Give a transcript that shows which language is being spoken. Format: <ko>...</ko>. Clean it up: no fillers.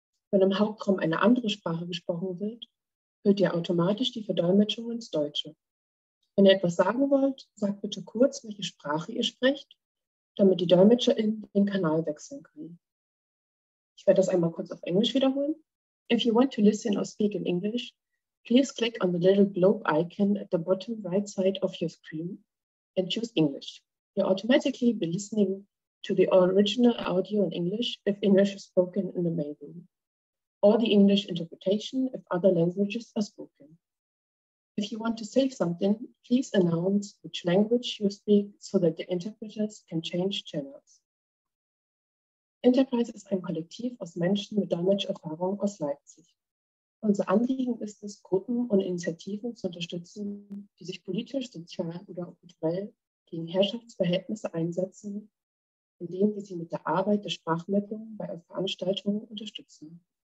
<de>Wenn im Hauptraum eine andere Sprache gesprochen wird, hört ihr automatisch die Verdolmetschung ins Deutsche. Wenn ihr etwas sagen wollt, sagt bitte kurz, welche Sprache ihr sprecht, damit die DolmetscherInnen den Kanal wechseln können. Ich werde das einmal kurz auf Englisch wiederholen.</de> <en>If you want to listen or speak in English, please click on the little globe icon at the bottom right side of your screen and choose English. You'll automatically be listening to the original audio in English if English is spoken in the main room, or the English interpretation if other languages are spoken. If you want to save something, please announce which language you speak so that the interpreters can change channels.</en> <de>Enterprise ist ein Kollektiv aus Menschen mit Dolmetscherfahrung aus Leipzig. Unser Anliegen ist es, Gruppen und Initiativen zu unterstützen, die sich politisch, sozial oder kulturell gegen Herrschaftsverhältnisse einsetzen, indem wir sie mit der Arbeit der Sprachmittlung bei Veranstaltungen unterstützen.</de>